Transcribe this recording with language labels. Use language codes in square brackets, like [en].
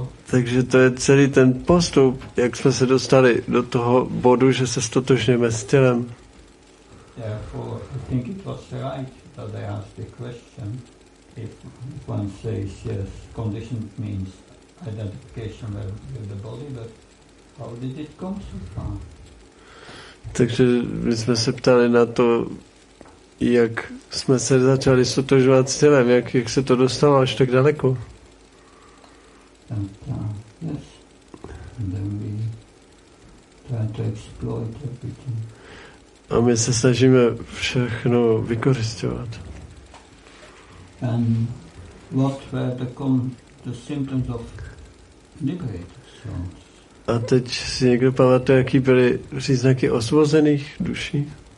[cs] Takže to je celý ten postup, jak jsme se dostali do toho bodu, že se ztotožňujeme s tělem. [en] Therefore, I think it was right that they asked the question if one says yes, conditioned means identification with the body, but how did it come so far? [cs] Takže my jsme se ptali na to, jak jsme se začali sotožovat s tělem, jak se to dostalo až tak daleko. [en] And, yes. And then we try to exploit everything. [cs] A my se snažíme všechno vykořisťovat. [en] And what were the symptoms of liberated souls? [cs] A teď si někdo pamatuje, jaký byly příznaky osvobozených duší?